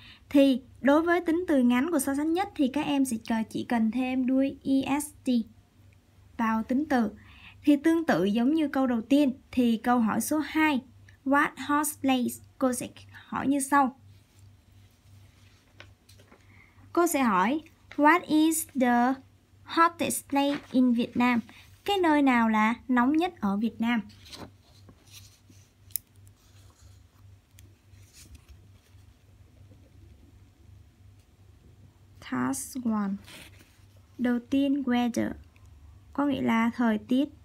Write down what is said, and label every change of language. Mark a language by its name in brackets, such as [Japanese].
[Vietnamese] Thì đối với tính từ ngắn của so sánh nhất thì các em sẽ chỉ cần thêm đuôi est vào tính từ. Thì tương tự giống như câu đầu tiên, thì câu hỏi số 2, [English] what hot place, [Vietnamese] cô sẽ hỏi như sau. Cô sẽ hỏi [English] what is the hottest place in Vietnam? [Vietnamese] Cái nơi nào là nóng nhất ở Việt Nam? Task 1. Đầu tiên weather, có nghĩa là thời tiết.